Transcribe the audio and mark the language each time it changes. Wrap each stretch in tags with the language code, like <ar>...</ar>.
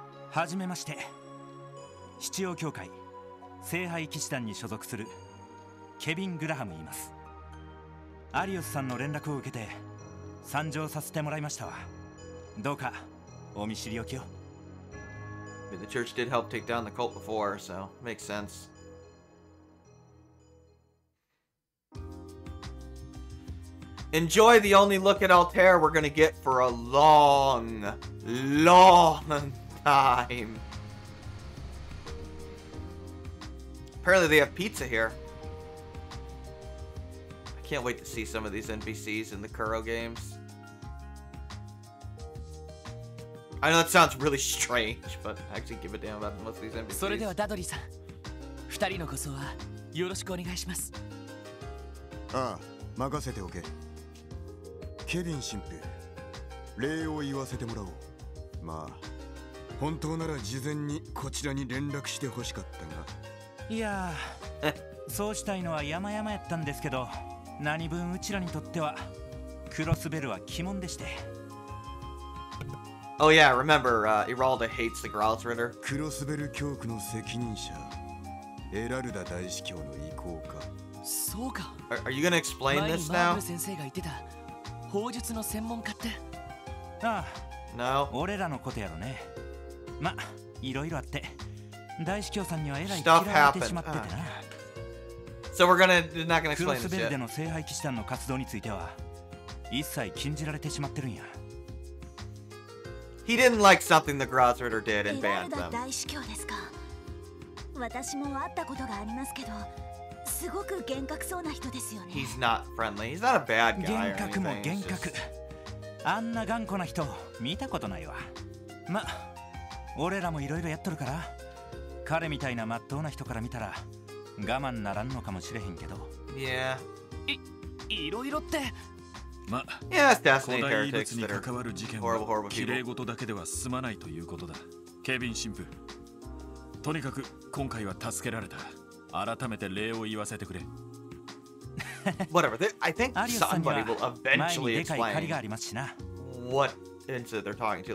<ja>はじめまして。七王教会聖杯騎士団に所属する。ケビン・グラハムいます。アリオスさんの連絡を受けて参上させてもらいましたわ。どうかお見知りおきを。</ja> <en>The church did help take down the cult before, so makes sense. Enjoy the only look at Altair we're gonna get for a long, long time. Apparently they have pizza here. Can't wait to see some of these NPCs in the Kuro games. I know that sounds really strange, but I actually give a damn about most of these NPCs.</en> <ja>それではダドリーさん、二人のご相はよろしくお願いします。ああ、任せておけ。ケビン神父、礼を言わせてもらおう。まあ、本当なら事前にこちらに連絡してほしかったが、や、そうしたいのは山々やったんですけど、何分うちらにとってはクロスベルは鬼門でして。</ja> <en>Oh yeah, remember, Iralda hates the Gralt Ritter.</en> <ja>クロスベル教区の責任者、エラルダ大司教の意向か。そうか。</ja> <en>Are you gonna explain this now?</en> <ja>前にマーブル先生が言ってた、法術の専門家って。ああ。</ja> <en>No.</en> <ja>俺らのことやろね。ま、いろいろあって、大司教さんにはえらい嫌われてしまっててな。</ja> <en>So we're gonna, not gonna explain this yet.</en> <ja>クロスベルでの聖杯騎士団の活動については、一切禁じられてしまってるんや。</ja> <en>He didn't like something the Gralt Ritter did and banned them.</en> <ja>大司教ですか。私も会ったことがありますけど、すごく厳格そうな人ですよね。</ja> <en>He's not friendly. He's not a bad guy.</en> <ja>厳格も厳格。あんな頑固な人見たことないわ。ま、俺らもいろいろやっとるから、彼みたいな真っ当な人から見たら我慢ならんのかもしれへんけど。</ja> <en>Yeah.</en> <ja>いろいろって。ま、</ja> <en>yes,</en> <ja>古代遺物に関わる事件は綺麗事だけでは済まないということだ。ケビン神父、とにかく今回は助けられた。改めて礼を言わせてくれ。</ja> <en>Whatever. I think somebody will eventually explain what incident they're talking to.</en>